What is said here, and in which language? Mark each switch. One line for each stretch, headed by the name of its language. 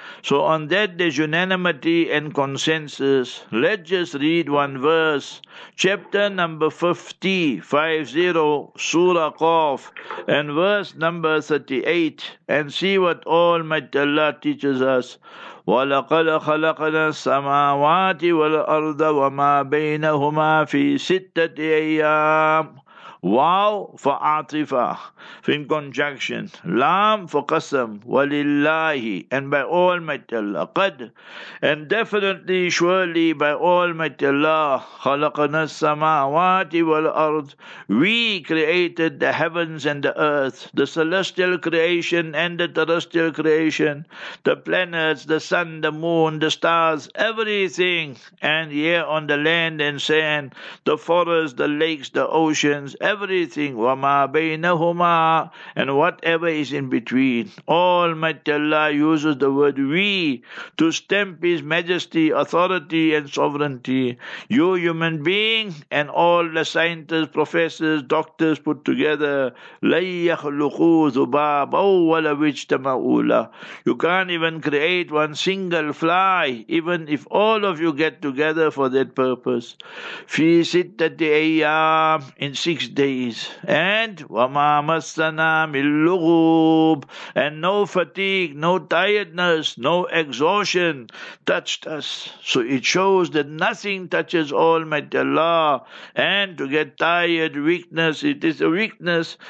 English: So on that there's unanimity and consensus. Let's just read one verse. Chapter number 50, Surah Qaf, and verse number 38, and see what Almighty Allah teaches us.
Arabic: ولقد خلقنا السماوات والأرض وما بينهما في ستة أيام.
English: Wow for atifa, for in conjunction. Lam for qasam, walillahi, and by Almighty Allah. Qad, and definitely, surely, by Almighty Allah. Khalaqna samawati wal ard, we created the heavens and the earth, the celestial creation and the terrestrial creation, the planets, the sun, the moon, the stars, everything, and here on the land and sand, the forests, the lakes, the oceans, everything,
Arabic: وَمَا بَيْنَهُمَا,
English: and whatever is in between. Almighty Allah uses the word we to stamp His majesty, authority and sovereignty. You human being and all the scientists, professors, doctors put together,
Arabic: لَنْ يَخْلُقُوا ذُبَابًا وَلَا وِجْتَمَعُولًا.
English: You can't even create one single fly, even if all of you get together for that purpose.
Arabic: فِي سِتَّةِ أَيَّامٍ,
English: in 6 days. And
Arabic: وَمَا مَسَّنَا مِنْ لُغُوبٍ,
English: and no fatigue, no tiredness, no exhaustion touched us. So it shows that nothing touches Almighty Allah. And to get tired, weakness, it is a weakness.